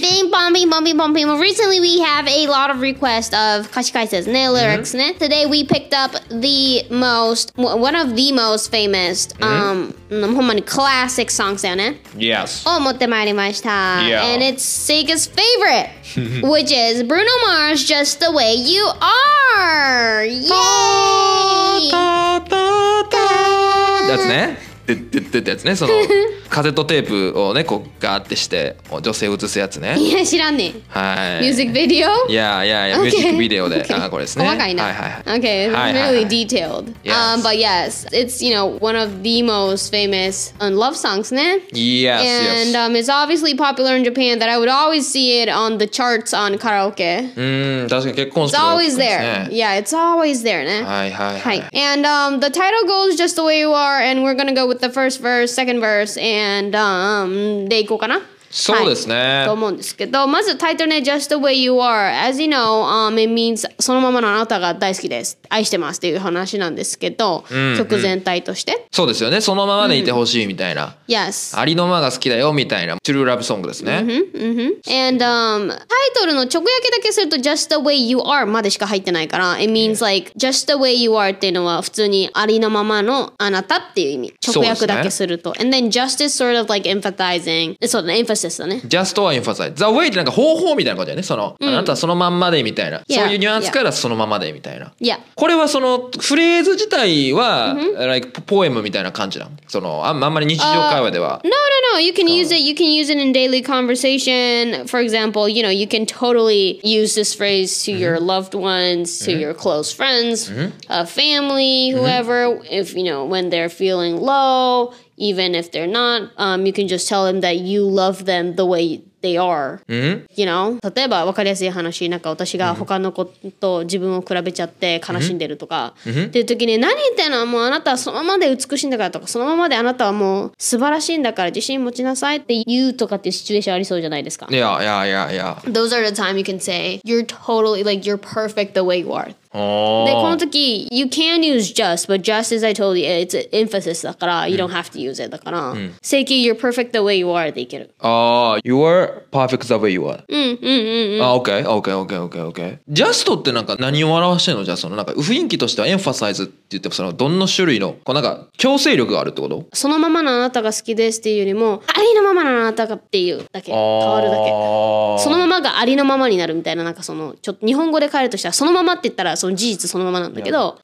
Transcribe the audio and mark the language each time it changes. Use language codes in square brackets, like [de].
[ja] ピンポンピンポンピンポンピン。 [en] Recently, we have a lot of requests of [ja] 歌詞解説ね、 [en] lyrics ね。 Today, we picked up the most, one of the most famous, [ja] ほんまに [en] classic songs [ja] だよね。 [en] Yes. [ja] を持ってまいりました。 [en] Yeah. And it's Sega's favorite, which is Bruno Mars, Just The Way You Are. Yay! That's ne? [ja] ってやつね、そのカセットテープをね、こうガーってして女性映すやつね。いや知らんねん。はい。ミュージックビデオ？いやいやいや、ミュージックビデオで、あ、これですね。細かいな。はいはいはい。 [en] Okay, it's really detailed. Yes. But yes, it's, you know, one of the most famous love songs, ね。 Yes, yes. And it's obviously popular in Japan that I would always see it on the charts on karaoke. [ja] 確かに結婚式 [en] で。It's always there. Yeah, it's always there, ね。 [ja] はいはいはい。 [en] And the title goes Just The Way You Are, and we're gonna go with the first verse, second verse, and [ja] でいこうかな。そうですね。はい、と思うんですけど、まずタイトルね、 [en] Just the way you are. As you know, it means [ja] そのままのあなたが大好きです。愛してますっていう話なんですけど、曲全体として。そうですよね。そのままでいてほしいみたいな。 [en] Yes. [ja] ありのままが好きだよみたいな。 [en] True love song [ja] ですね。 And タイトルの直訳だけすると Just the way you are までしか入ってないから、 [en] It means like just the way you are [ja] っていうのは普通にありのままのあなたっていう意味。直訳だけすると。 [en] And then just is sort of like emphasizing. [ja] そうだね。 [en] Just or emphasize. The way [ja] ってなんか方法みたいなことだよね。その、あなたはそのまんまでみたいな。 [en] Yeah. [ja] そういうニュアンスからそのままでみたいな。 [en] Yeah. [ja] これはそのフレーズ自体は、like ポエムみたいな感じなの。その、あんまり日常会話では。 [en] No, no, no. You can use it. You can use it in daily conversation. For example, you know, you can totally use this phrase to your loved ones, to your close friends, a family, whoever, if, you know, when they're feeling low. Even if they're not, you can just tell them that you love them the way they are. You know? [ja] 例えば分かりやすい話、なんか私が他の子と自分を比べちゃって悲しんでるとか、っていう時に何言ってんの？もうあなたはそのままで美しいんだからとか、そのままであなたはもう素晴らしいんだから自信持ちなさいって言うとかっていうシチュエーションありそうじゃないですか。 [en] Yeah, yeah, yeah, yeah. Those are the time you can say, you're totally, like, you're perfect the way you are. [ja] でこの時 [en] you can use just but just as I told you it's an emphasis [ja] だから [en] you don't have to use it だから Seiki you're perfect the way you are でいける you are perfect the way you are OK [ja] just ってなんか何を表してるのじゃあそのなんか雰囲気としては emphasize って言ってもそのどんな種類のこうなんか強制力があるってことそのままのあなたが好きですっていうよりもありのままのあなたがっていうだけ変わるだけそのままがありのままになるみたいななんかそのちょっと日本語で変えるとしたらそのままって言ったらその事実そのままなんだけど、yeah.